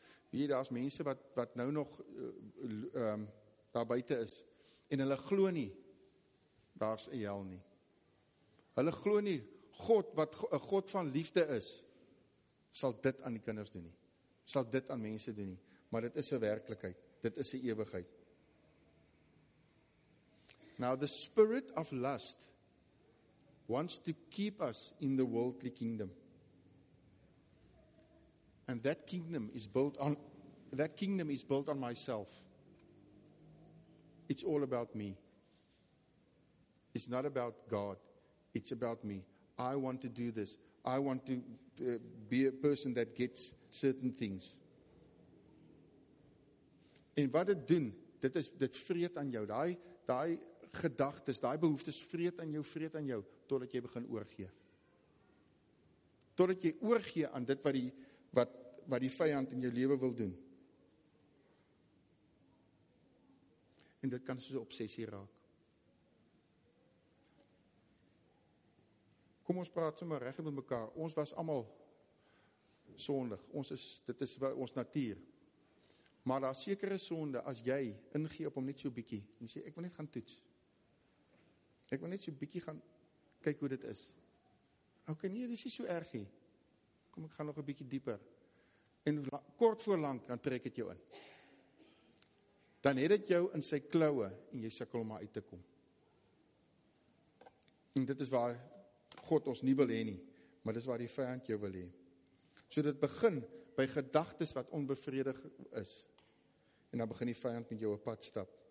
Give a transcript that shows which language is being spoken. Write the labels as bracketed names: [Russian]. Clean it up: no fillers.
[Afrikaans] Weet jy, daar is mense wat nou nog daar buiten is, en hulle glo nie, daar is 'n hel nie. Hulle glo nie, God, wat 'n God van liefde is, sal dit aan die kinders doen nie. Sal dit aan mense doen nie. Maar dit is 'n werklikheid. Dit is 'n ewigheid. [English] Now the spirit of lust wants to keep us in the worldly kingdom. And that kingdom is built on myself. It's all about me. It's not about God. It's about me. I want to do this. I want to be a person that gets certain things. [Afrikaans] En wat dit doen, dit is dit vreet aan jou. Daai gedagtes, daai behoeftes vreet aan jou totdat jy begin oorgee. Totdat jy oorgee aan dit wat die vyand in jou lewe wil doen. En dit kan soos 'n obsessie raak. Kom ons praat sommer reg met mekaar. Ons was almal sondig. Dit is ons natuur. Maar daar is sekere sonde as jy ingee op hom net so bietjie en sê ek wil net gaan toets. Ek wil net so bietjie gaan kyk hoe dit is. OK, nee, dis nie so erg nie. Kom ek gaan nog 'n bietjie dieper. En kort voor lank dan trek dit jou in. Dan het dit jou in sy klauwe en jy sukkel om uit te kom. En dit is waar God ons nie wil hê nie, maar dis waar die vyand jou wil hê. So dit begin by gedagtes wat onbevredig is. En dan begin die vyand met jou op pad stap.